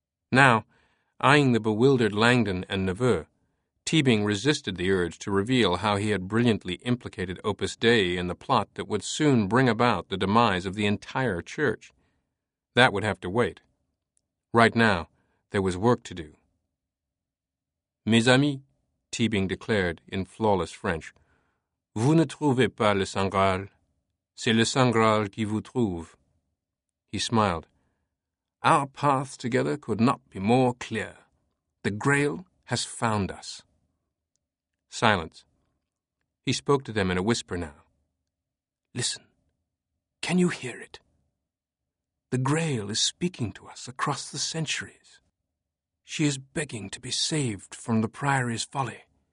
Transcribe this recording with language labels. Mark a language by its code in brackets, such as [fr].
[en] Now, eyeing the bewildered Langdon and Nouveau, Teabing resisted the urge to reveal how he had brilliantly implicated Opus Dei in the plot that would soon bring about the demise of the entire church. That would have to wait. Right now, there was work to do. [fr] Mes amis, [en] Teabing declared in flawless French, [fr] vous ne trouvez pas le Saint Graal. C'est le Saint Graal qui vous trouve. [en] He smiled. Our paths together could not be more clear. The Grail has found us. Silence. He spoke to them in a whisper now. Listen. Can you hear it? The Grail is speaking to us across the centuries. She is begging to be saved from the Priory's folly.